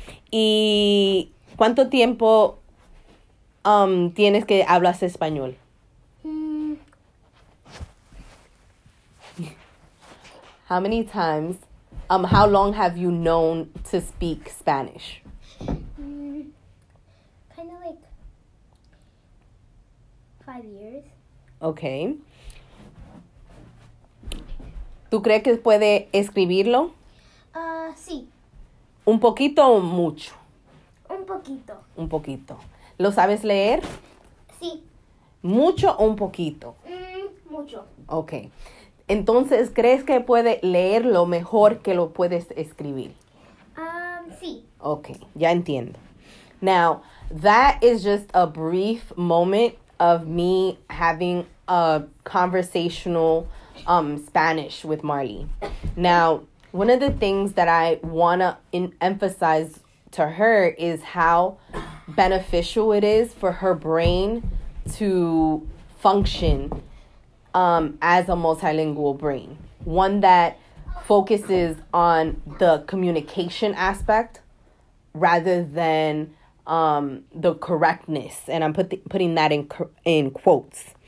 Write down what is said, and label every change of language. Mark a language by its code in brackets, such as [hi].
[es] ¿Y cuánto tiempo tienes que hablas español? [en] How many times, how long have you known to speak Spanish? Kind of like 5 years. Okay. [es] ¿Tú crees que puede escribirlo? Sí. ¿Un poquito o mucho? Un poquito. Un poquito. ¿Lo sabes leer? Sí. ¿Mucho o un poquito? Mucho. Okay. Entonces, ¿crees que puede leerlo mejor que lo puedes escribir? Sí. Okay, ya entiendo. [en] Now, that is just a brief moment of me having a conversational Spanish with Marley. Now, one of the things that I wanna emphasize to her is how beneficial it is for her brain to function as a multilingual brain, one that focuses on the communication aspect rather than the correctness, and I'm putting that in quotes.